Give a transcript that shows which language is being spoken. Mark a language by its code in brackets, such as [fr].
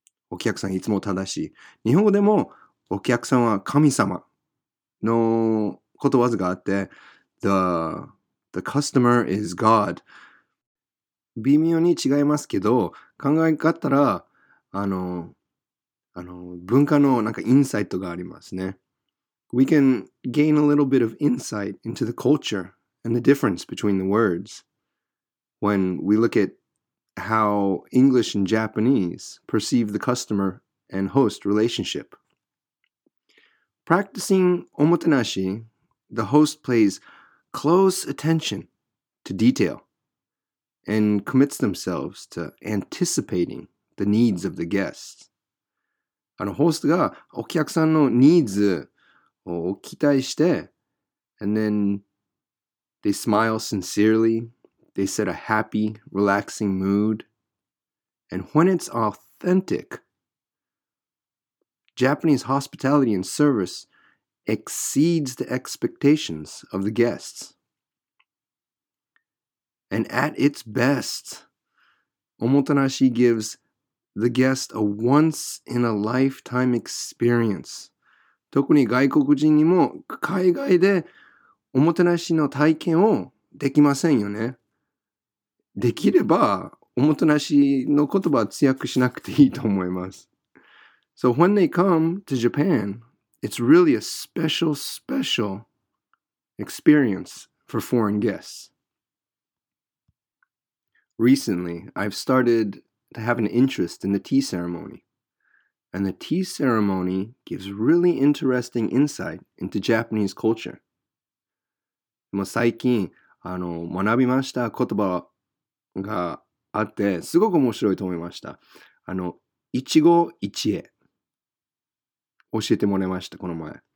[ja] お客さんいつも正しい。日本語でもお客さんは神様のことわざがあって、 [en] The customer is God. [ja] 微妙に違いますけど、考え方ら、文化のなんかインサイトがありますね。 [en] We can gain a little bit of insight into the culture and the difference between the words when we look at how English and Japanese perceive the customer and host relationship. Practicing omotenashi, the host pays close attention to detail and commits themselves to anticipating. The needs of the guests. [ja] ホストがお客さんのニーズを期待して、 [en] And then they smile sincerely. They set a happy, relaxing mood. And when it's authentic, Japanese hospitality and service exceeds the expectations of the guests. And at its best, omotenashi gives the guest a once-in-a-lifetime experience. [ja] 特に外国人にも海外でおもてなしの体験をできませんよね。できればおもてなしの言葉は通訳しなくていいと思います。 [en] So when they come to Japan, it's really a special, special experience for foreign guests. Recently, I've started to have an interest in the tea ceremony. And the tea ceremony gives really interesting insight into Japanese culture. [ja] もう最近学びました言葉があってすごく面白いと思いました。一期一会教えてもらいましたこの前。